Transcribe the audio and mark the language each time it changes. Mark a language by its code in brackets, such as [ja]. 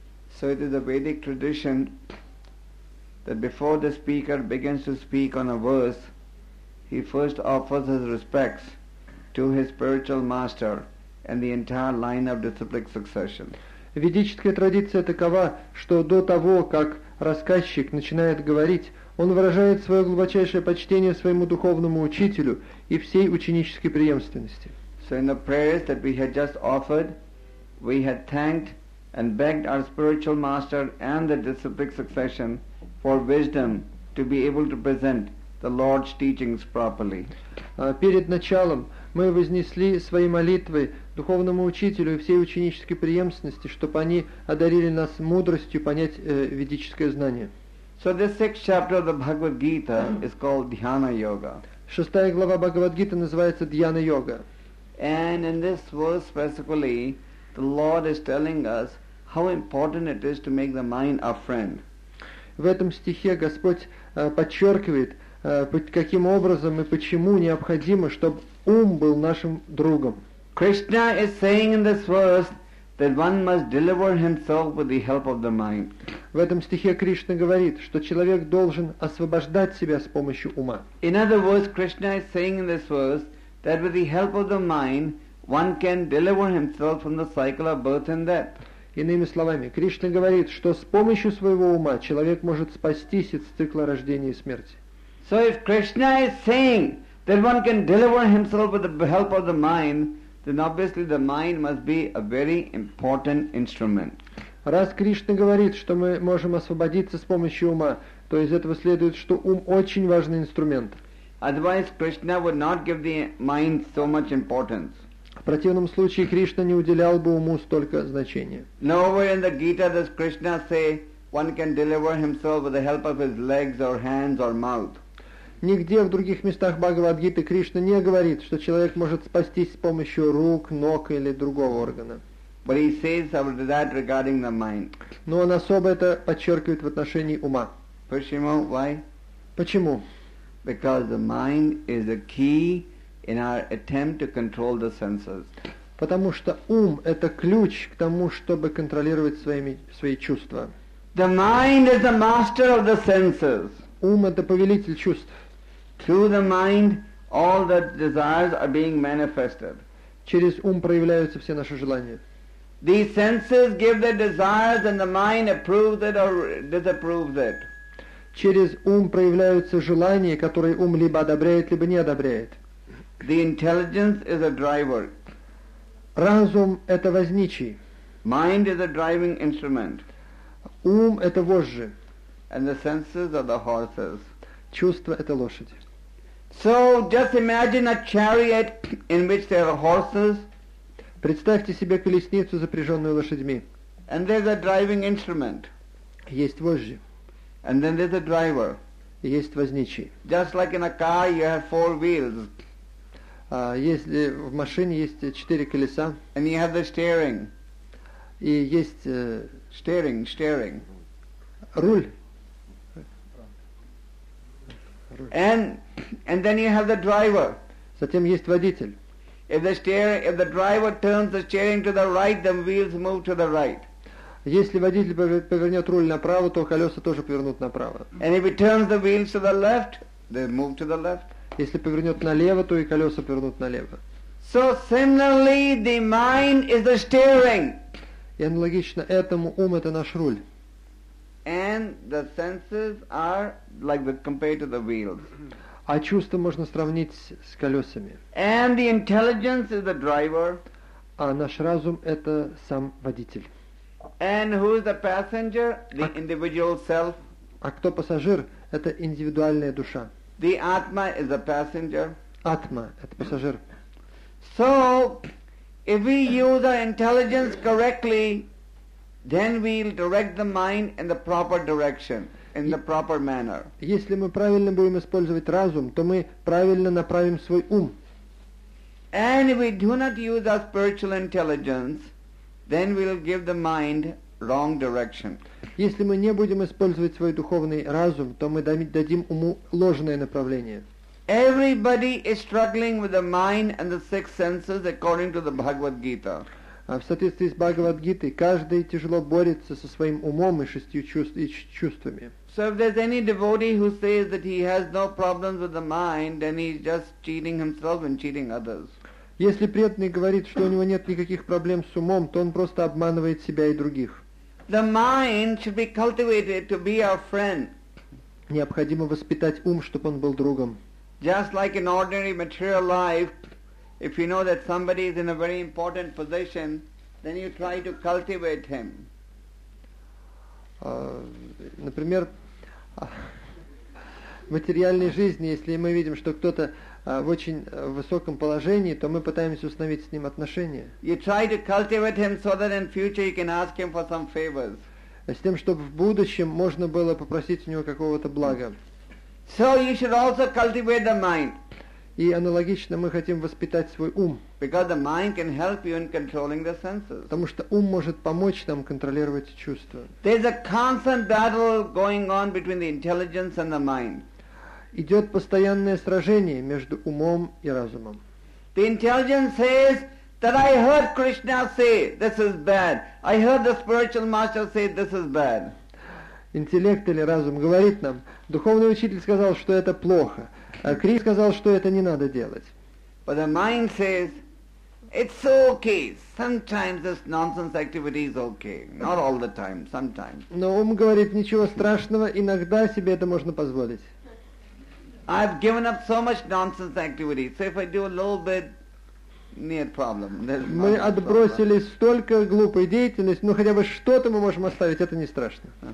[en] So it is a Vedic tradition that before the speaker begins to speak on a verse, he first offers his respects to his spiritual master and the entire line of disciplic succession. [ru] Ведическая традиция такова, что до того, как рассказчик начинает говорить, он выражает свое глубочайшее почтение своему духовному учителю и всей ученической преемственности. [en] So in the prayers that we had just offered, we had thanked and begged our spiritual master and the disciplic succession for wisdom to be able to present the Lord's teachings properly. [ru] Перед началом мы вознесли свои молитвы духовному учителю и всей ученической преемственности, чтобы они одарили нас мудростью понять ведическое знание. [en] So the sixth chapter of the Bhagavad Gita is called Dhyana Yoga. [ru] Шестая глава Бхагавад Гиты называется Дьяна Йога. [en] And in this verse specifically, the Lord is telling us how important it is to make the mind our friend. [ru] В этом стихе Господь подчеркивает, каким образом и почему необходимо, чтобы ум был нашим другом. [en] Krishna is saying in this verse that one must deliver himself with the help of the mind. [ru] В этом стихе Кришна говорит, что человек должен освобождать себя с помощью ума. [en] In other words, Krishna is saying in this verse that with the help of the mind, one can deliver himself from the cycle of birth and death. [ru] Иными словами, Кришна говорит, что с помощью своего ума человек может спастись из цикла рождения и смерти. [en] So if Krishna is saying that one can deliver himself with the help of the mind, then obviously the mind must be a very important instrument. [ru] Раз Кришна говорит, что мы можем освободиться с помощью ума, то из этого следует, что ум очень важный инструмент. [en] Otherwise, Krishna would not give the mind so much importance. [ru] В противном случае Кришна не уделял бы уму столько значения. [en] Nowhere in the Gita does Krishna say one can deliver himself with the help of his legs or hands or mouth. [ru] Нигде в других местах Бхагавад-гиты Кришна не говорит, что человек может спастись с помощью рук, ног или другого органа. [en] But he says about that regarding the mind. [ru] Но он особо это подчеркивает в отношении ума. Почему? [en] Why? [ru] Почему? [en] Because the mind is a key in our attempt to control the senses. [ru] Потому что ум это ключ к тому, чтобы контролировать свои чувства. [en] The mind is the master of the senses. [ru] Ум это повелитель чувств. [en] Through the mind, all the desires are being manifested. [ru] Через ум проявляются все наши желания. [en] These senses give the desires, and the mind approves it or disapproves it. [ru] Через ум проявляются желания, которые ум либо одобряет, либо не одобряет. [en] The intelligence is a driver. [ru] Разум — это возничий. [en] Mind is a driving instrument. [ru] Ум — это вожжи. [en] And the senses are the horses. [ru] Чувства — это лошади. [en] So just imagine a chariot in which there are horses. [ru] Представьте себе колесницу, запряженную лошадьми. [en] And there's a driving instrument. [ru] Есть вожжи. [en] And then there's a driver. [ru] Есть возничий. [en] Just like in a car, you have four wheels. [ru] Если в машине есть четыре колеса. [en] And you have the steering. [ru] И есть [en] steering. [ru] Руль. [en] And then you have the driver. [ru] Затем есть водитель. [en] If the driver turns the steering to the right, then wheels move to the right. [ru] Если водитель повернет руль направо, то колеса тоже повернут направо. [en] And if he turns the wheels to the left, they move to the left. [ru] Если повернет налево, то и колеса повернут налево. [en] So similarly, the mind is the steering. [ru] И аналогично этому ум это наш руль. [en] And the senses are like the compared to the wheels. [ru] А чувства можно сравнить с колесами. [en] And the intelligence is the driver. [ru] А наш разум — это сам водитель. [en] And who is the passenger? The individual self. [ru] А кто пассажир? Это индивидуальная душа. [en] The Atma is the passenger. [ru] Атма — это пассажир. [en] So, if we use our intelligence correctly, then we'll direct the mind in the proper direction. In the proper manner. [ru] Если мы правильно будем использовать разум, то мы правильно направим свой ум. [en] And if we do not use our spiritual intelligence, then we'll give the mind wrong direction. [ru] Если мы не будем использовать свой духовный разум, то мы дадим уму ложное направление. [en] Everybody is struggling with the mind and the six senses according to the Bhagavad Gita. [ru] А в соответствии с Бхагавад-гитой, каждый тяжело борется со своим умом и шестью чувствами. [en] So if there's any devotee who says that he has no problems with the mind, then he's just cheating himself and cheating others. [ru] Если преданный говорит, что у него нет никаких проблем с умом, то он просто обманывает себя и других. [en] The mind should be cultivated to be our friend. [ru] Необходимо воспитать ум, чтобы он был другом. [en] Just like in ordinary material life, if you know that somebody is in a very important position, then you try to cultivate him. [ru] Например, в материальной жизни, если мы видим, что кто-то в очень высоком положении, то мы пытаемся установить с ним отношения. [en] You try to cultivate him so that in future you can ask him for some favors. [ru] С тем, чтобы в будущем можно было попросить у него какого-то блага. [en] So you should also cultivate the mind. [ru] И аналогично мы хотим воспитать свой ум. [en] Because the mind can help you in controlling the senses. [ru] Потому что ум может помочь нам контролировать чувства. [en] There's a constant battle going on between the intelligence and the mind. [ru] Идет постоянное сражение между умом и разумом. [en] The intelligence says that I heard Krishna say this is bad. I heard the spiritual master say this is bad. [ru] Интеллект или разум говорит нам, духовный учитель сказал, что это плохо. А Кри сказал, что это не надо делать. [en] But the mind says, it's okay. Sometimes this nonsense activity is okay. Not all the time, sometimes. [ru] Но ум говорит, ничего страшного, иногда себе это можно позволить. [en] I've given up so much nonsense activity. So if I do a little bit, [ru] нет проблем. Мы отбросили столько глупой деятельности, но хотя бы что-то мы можем оставить, это не страшно.